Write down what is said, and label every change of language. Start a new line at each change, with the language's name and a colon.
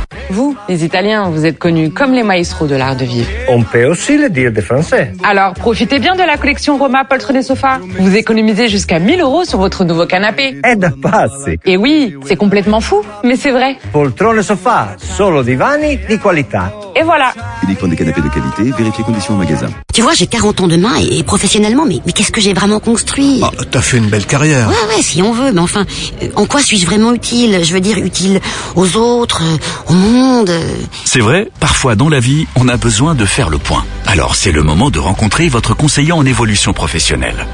French: Vous, les Italiens, vous êtes connus comme les maestros de l'art de vivre. On peut aussi le dire des Français. Alors, profitez bien de la collection Roma Poltrone Sofa. Vous économisez jusqu'à 1000 euros sur votre nouveau canapé. Aide pas assez. Et oui, c'est complètement fou, mais c'est vrai.
Italian: Poltrone Sofa, solo divani di qualità.
French: Et voilà. Uniquement des canapés de qualité, vérifiez conditions au magasin. Tu vois, j'ai 40 ans demain et professionnellement, mais qu'est-ce que j'ai vraiment construit? Oh, t'as fait une belle carrière. Ouais, ouais, si on veut, mais enfin, en quoi suis-je vraiment utile? Je veux dire, utile aux autres, au monde. C'est vrai, parfois dans la vie, on a besoin de faire le point. Alors c'est le moment de rencontrer votre conseiller en évolution professionnelle.